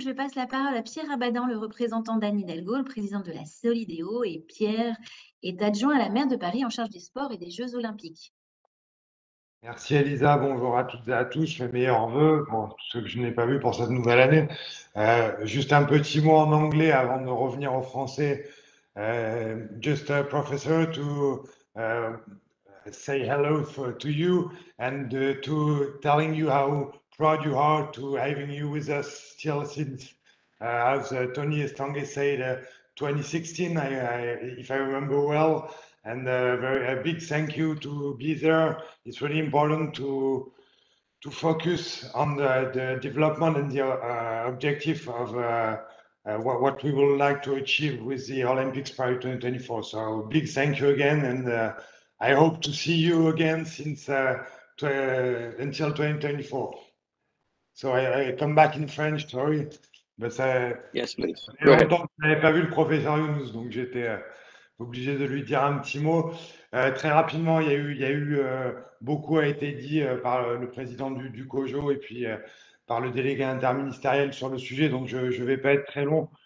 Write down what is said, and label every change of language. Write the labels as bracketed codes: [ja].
[fr] Je passe la parole à Pierre Abadan, le représentant d'Anne Hidalgo, le président de la Solideo. Et Pierre est adjoint à la maire de Paris en charge des sports et des Jeux Olympiques. Merci Elisa, bonjour à toutes et à tous, mes meilleurs voeux pour tous ceux que je n'ai pas vus pour cette nouvelle année. Juste un petit mot en anglais avant de revenir au français. [en] Just a professor to say hello to you and to telling you how proud you are to having you with us still since, as Tony Estange said, 2016, if I remember well. And a big thank you to be there. It's really important to focus on the development and the objective of what we would like to achieve with the Olympics Paris 2024. So big thank you again, and I hope to see you again until 2024. So I come back in French, sorry. Yes, please. Go ahead. [fr] Je n'avais pas vu le professeur Younous, donc j'étais obligé de lui dire un petit mot. Très rapidement, beaucoup a été dit par le président du COJO et puis par le délégué interministériel sur le sujet, donc je ne vais pas être très long.